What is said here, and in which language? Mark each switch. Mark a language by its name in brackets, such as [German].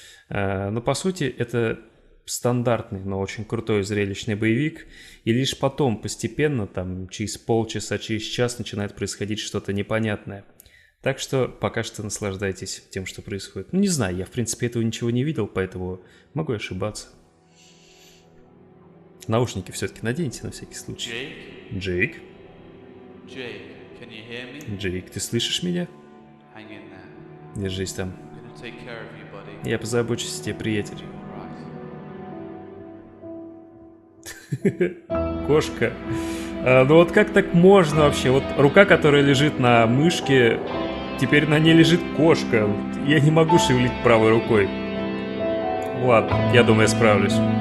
[Russian] по сути, это... стандартный, но очень крутой зрелищный боевик, и лишь потом, постепенно, там, через полчаса, через час начинает происходить что-то непонятное. Так что пока что наслаждайтесь тем, что происходит. Ну, не знаю, я, в принципе, этого ничего не видел, поэтому могу ошибаться. Наушники все-таки наденьте на всякий случай. Джейк? [English] Джейк, can you hear me? [Russian] Джейк, ты слышишь меня? [English] Hang in there. [Russian] Держись там. [English] I'm gonna take care of you, buddy. [Russian] Я позабочусь о тебе, приятель. Кошка. Ну вот как так можно вообще? Вот рука, которая лежит на мышке, теперь на ней лежит кошка. Я не могу шевелить правой рукой. Ладно, я думаю, я справлюсь.